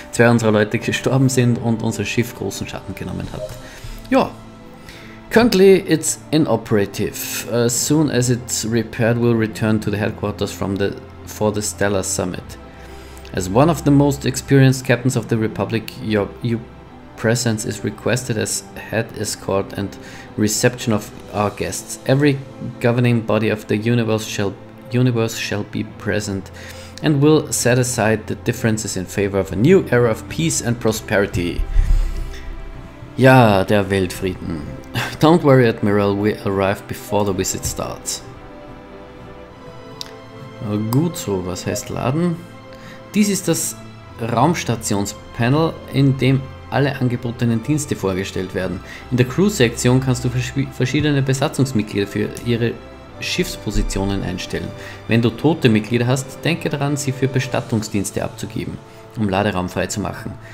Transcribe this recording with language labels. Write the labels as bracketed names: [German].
[German] Zwei unserer Leute gestorben sind und unser Schiff großen Schaden genommen hat. [English] Ja. Currently, it's inoperative. As soon as it's repaired, we'll return to the headquarters for the Stellar Summit. As one of the most experienced captains of the Republic, your presence is requested as head escort and reception of our guests. Every governing body of the universe shall be present and will set aside the differences in favor of a new era of peace and prosperity. [German] Ja, der Weltfrieden. [English] Don't worry, Admiral, we arrive before the visit starts. [German] Gut so, was heißt laden? Dies ist das Raumstationspanel, in dem alle angebotenen Dienste vorgestellt werden. In der Crew-Sektion kannst du verschiedene Besatzungsmitglieder für ihre Schiffspositionen einstellen. Wenn du tote Mitglieder hast, denke daran, sie für Bestattungsdienste abzugeben, um Laderaum frei zu machen.